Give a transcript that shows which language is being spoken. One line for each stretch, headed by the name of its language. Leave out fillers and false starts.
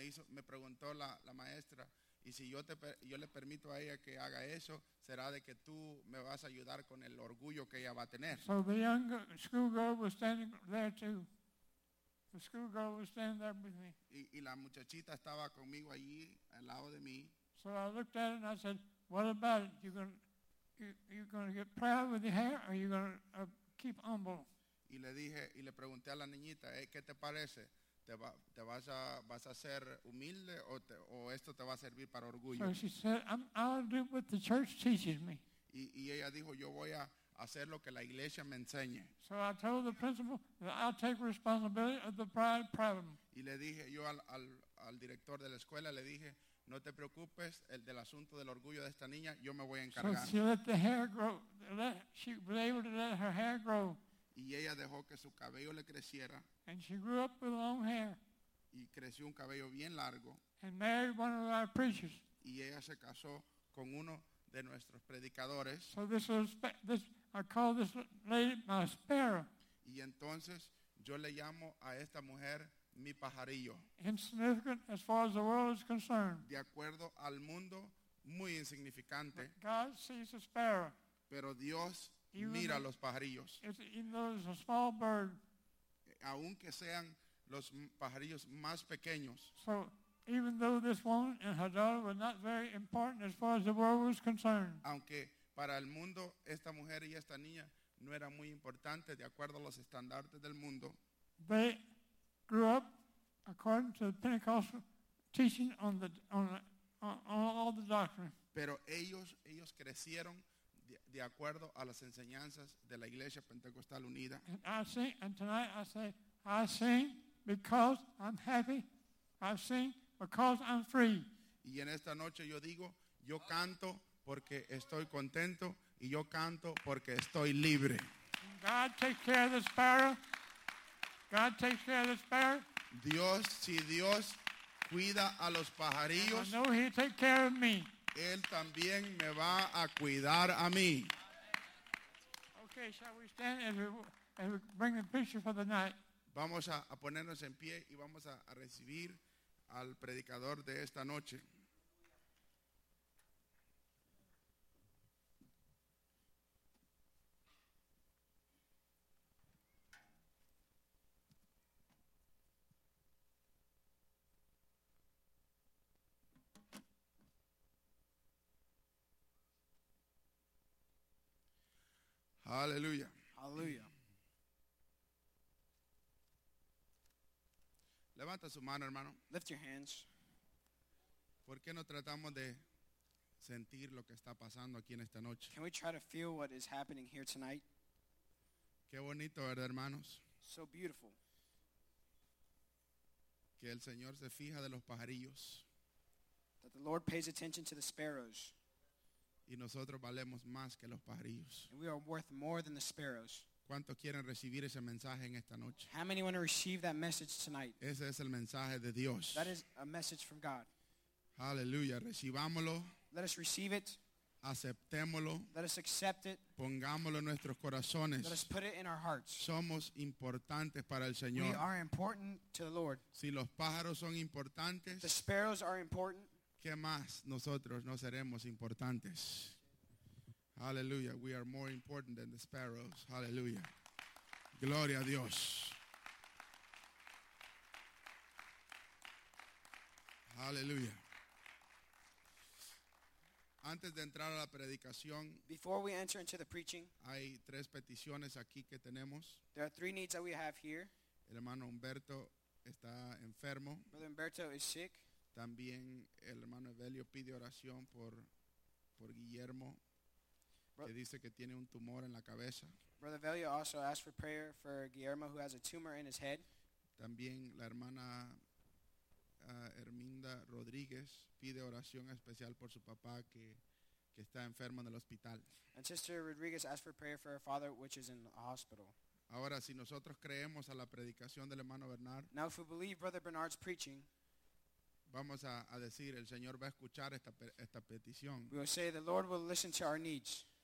Spanish: Me preguntó la maestra, y si yo le permito a ella que haga eso, será de que tú me vas a ayudar con el orgullo que ella va a tener.
English: So the young school girl was standing there too. The school girl was standing there with me.
Spanish: Y la muchachita estaba conmigo allí, al lado de mí.
English: So I looked at her and I said, what about it? You're gonna get proud with your hair, or are you going to keep humble?
Spanish: Y le dije, y le pregunté a la niñita, ¿qué te parece? ¿Vas a ser humilde o esto te va a servir para orgullo?
English: So she said, I'll do what the church teaches me.
Spanish: Y ella dijo, yo voy a hacer lo que la iglesia me enseñe.
English: So I told the principal that I'll take responsibility of the pride problem.
Spanish: Y le dije yo al director de la escuela, le dije, no te preocupes, el del asunto del orgullo de esta niña, yo me voy a encargar.
English: So she let the hair grow. She was able to let her hair grow.
Spanish: Y ella dejó que su cabello le creciera.
English: And she grew up with long hair.
Spanish: Y creció un cabello bien largo.
English: And married one of our preachers.
Spanish: Y ella se casó con uno de nuestros predicadores.
English: So this I call this lady my sparrow.
Spanish: Y entonces yo le llamo a esta mujer mi pajarillo.
English: Insignificant as far as the world is concerned.
Spanish: De acuerdo al mundo, muy insignificante.
English: But God sees a sparrow.
Spanish: Pero Dios even mira a los pajarillos.
English: Even though it's a small bird.
Spanish: Aunque sean los pajarillos más pequeños.
English: So even though this woman and her daughter were not very important as far as the world was concerned.
Spanish: Aunque para el mundo esta mujer y esta niña no era muy importante de acuerdo a los estándares del mundo.
English: They grew up according to the Pentecostal teaching on all the doctrine.
Spanish: Pero ellos crecieron de acuerdo a las enseñanzas de la Iglesia Pentecostal Unida.
English: And I sing, and tonight I say, I sing because I'm happy. I sing because I'm free.
Spanish: Y en esta noche yo digo, yo canto porque estoy contento y yo canto porque estoy libre.
English: God takes care of the sparrow. God takes care of the sparrow.
Spanish: Dios, si Dios cuida a los pajarillos,
English: and I know he'll take care of me.
Spanish: Él también me va a cuidar a mí.
English: Okay, shall we stand and bring the picture for the night?
Spanish: Vamos a ponernos en pie y vamos a recibir al predicador de esta noche. Aleluya. Aleluya. Levanta su mano, hermano.
English: Lift your hands.
Spanish: ¿Por qué no tratamos de sentir lo que está pasando aquí en esta noche?
English: Can we try to feel what is happening here tonight?
Spanish: Qué bonito, ¿verdad, hermanos?
English: So beautiful.
Spanish: Que el Señor se fija de los pajarillos.
English: That the Lord pays attention to the sparrows.
Spanish: Y nosotros valemos más que los pajarillos.
English: And we are worth more than the sparrows.
Spanish: ¿Cuántos quieren recibir ese mensaje en esta noche?
English: How many want to receive that message tonight?
Spanish: Ese es el mensaje de Dios.
English: That is a message from God.
Spanish: Aleluya, recibámoslo.
English: Let us receive it.
Spanish: Aceptémoslo.
English: Let us accept it.
Spanish: Pongámoslo en nuestros corazones.
English: Let us put it in our hearts.
Spanish: Somos importantes para el Señor.
English: We are important to the Lord.
Spanish: Si los pájaros son importantes,
English: the sparrows are important.
Spanish: ¿Qué más nosotros no seremos importantes?
English: Aleluya, we are more important than the sparrows.
Spanish: Aleluya. Gloria a Dios. Aleluya. Antes de entrar a la predicación,
English: before we enter into the preaching,
Spanish: hay tres peticiones aquí que tenemos.
English: There are three needs that we have here.
Spanish: El hermano Humberto está enfermo.
English: Brother Humberto is sick.
Spanish: También el hermano Evelio pide oración por Guillermo. Que dice que tiene un tumor en la cabeza.
English: Brother Velio also asked for prayer for Guillermo, who has a tumor in his head.
Spanish: También la hermana Herminda Rodríguez pide oración especial por su papá que está enfermo en el hospital.
English: And Sister Rodriguez asked for prayer for her father, which is in the hospital.
Spanish: Ahora, si nosotros creemos a la predicación del hermano Bernard,
English: now if we believe Brother Bernard's preaching,
Spanish: vamos a decir, el Señor va a escuchar esta petición.
English: We will say the Lord will listen to our needs.